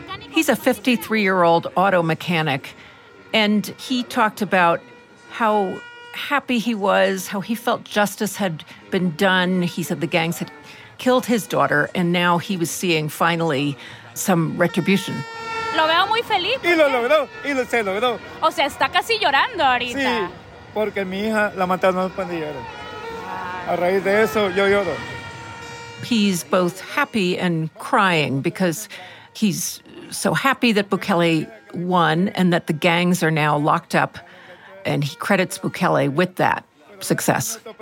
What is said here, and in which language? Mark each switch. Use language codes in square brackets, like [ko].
[en] He's a 53-year-old auto mechanic, and he talked about how happy he was, how he felt justice had been done. He said the gangs had killed his daughter, and now he was seeing finally some retribution. [es] Lo veo muy feliz. Y lo logró, y lo se logró. O sea, está casi llorando ahorita. Sí, porque mi hija la mataron los pandilleros. A raíz de eso, yo lloro. [en] He's both happy and crying because he's so happy that Bukele won and that the gangs are now locked up, and he credits Bukele with that success.